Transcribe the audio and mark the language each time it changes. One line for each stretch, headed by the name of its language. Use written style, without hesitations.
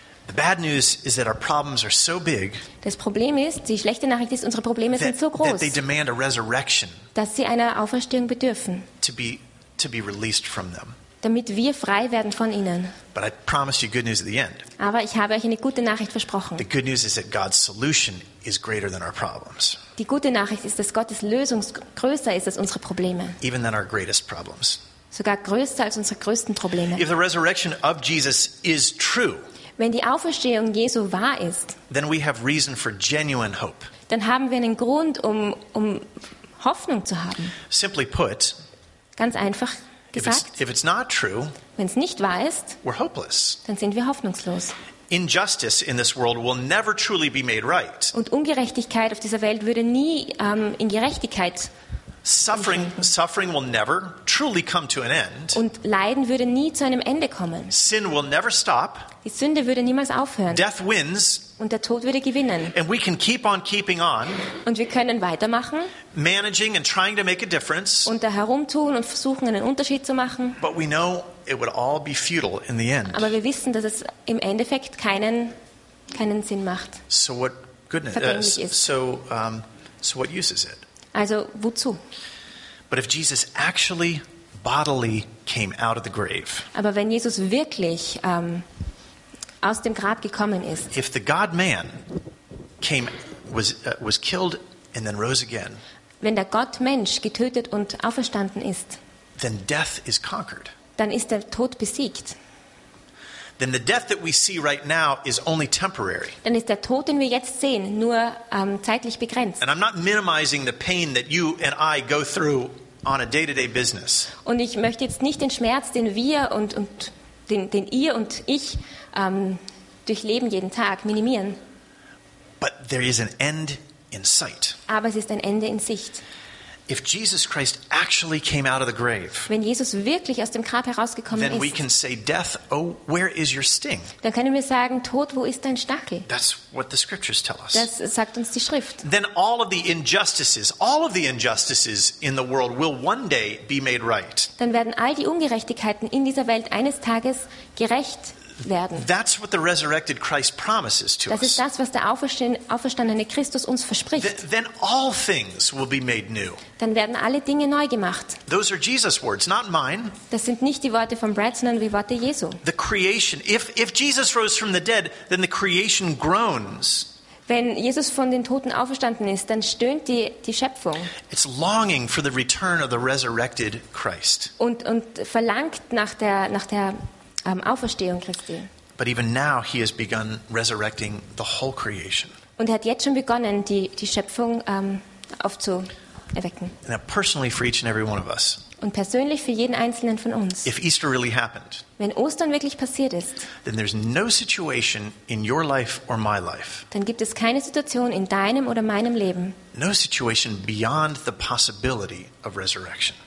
English: The bad news is that our problems are so big.
German: Das Problem ist, die schlechte Nachricht ist, unsere Probleme sind so groß.
English: That they demand a resurrection.
German: Dass sie einer Auferstehung bedürfen.
English: To be released from them.
German: Damit wir frei werden von ihnen.
English: But I promise you good news at the end.
German: Aber ich habe euch eine gute Nachricht versprochen.
English: The good news is that God's solution is greater than our problems.
German: Die gute Nachricht ist, dass Gottes Lösung größer ist als unsere Probleme.
English: Even than our greatest problems.
German: Sogar größer als unsere größten Probleme.
English: If the resurrection of Jesus is true.
German: Wenn die Auferstehung Jesu wahr ist,
English: then we have reason for genuine hope.
German: Dann haben wir einen Grund, um Hoffnung zu haben.
English: Simply put,
German: ganz einfach gesagt,
English: if it's not true,
German: wenn es nicht wahr ist,
English: we're hopeless.
German: Dann sind wir hoffnungslos.
English: Injustice in this world will never truly be made right.
German: Und Ungerechtigkeit auf dieser Welt würde nie in Gerechtigkeit
English: Suffering will never truly come to an end.
German: Und Leiden würde nie zu einem Ende kommen.
English: Sin will never stop.
German: Die Sünde würde niemals aufhören.
English: Death wins.
German: Und der Tod würde gewinnen.
English: And we can keep on keeping on.
German: Und wir können weitermachen.
English: Managing and trying to make a difference.
German: Und da herumtun und versuchen einen Unterschied zu machen.
English: But we know it would all be futile in the end.
German: Aber wir wissen, dass es im Endeffekt keinen Sinn macht.
English: So what goodness? So what use is it?
German: Also wozu?
English: But if Jesus actually bodily came out of the grave.
German: Aber wenn Jesus wirklich aus dem Grab gekommen ist.
English: If the God man came was killed and then rose again.
German: Wenn der Gottmensch getötet und auferstanden ist.
English: Then death is conquered.
German: Dann ist der Tod besiegt.
English: Then the death that we see right now is only temporary.
German: Dann ist der Tod, den wir jetzt sehen, nur zeitlich begrenzt.
English: And I'm not minimizing the pain that you and I go through on a day-to-day business.
German: Und ich möchte jetzt nicht den Schmerz, den wir und den ihr und ich durchleben jeden Tag, minimieren.
English: But there is an end in sight.
German: Aber es ist ein Ende in Sicht.
English: If Jesus Christ actually came out of the grave,
German: wenn Jesus wirklich aus dem Grab herausgekommen ist,
English: then we can say, "Death, oh, where is your sting?"
German: Dann können wir sagen, Tod, wo ist dein Stachel?
English: That's what the scriptures tell us.
German: Das sagt uns die Schrift.
English: Then all of the injustices in the world will one day be made right.
German: Dann werden all die Ungerechtigkeiten in dieser Welt eines Tages gerecht.
English: That's what the resurrected Christ promises to us.
German: Das ist das, was der auferstandene Christus uns verspricht.
English: Then all things will be made new.
German: Dann werden alle Dinge neu gemacht.
English: Those are Jesus' words, not mine.
German: Das sind nicht die Worte von Brad, sondern die Worte Jesu.
English: The creation, if Jesus rose from the dead, then the creation groans.
German: Wenn Jesus von den Toten auferstanden ist, dann stöhnt die Schöpfung.
English: It's longing for the return of the resurrected Christ.
German: Und verlangt nach der Auferstehung Christi.
English: But even now he has begun resurrecting the whole creation.
German: Und er hat jetzt schon begonnen, die Schöpfung aufzuerwecken.
English: Now personally for each and every one of us.
German: Und persönlich für jeden einzelnen von uns.
English: If Easter really happened.
German: Wenn Ostern wirklich passiert ist.
English: Then there's no situation in your life or my life.
German: Dann gibt es keine Situation in deinem oder meinem Leben.
English: No situation beyond the possibility of resurrection.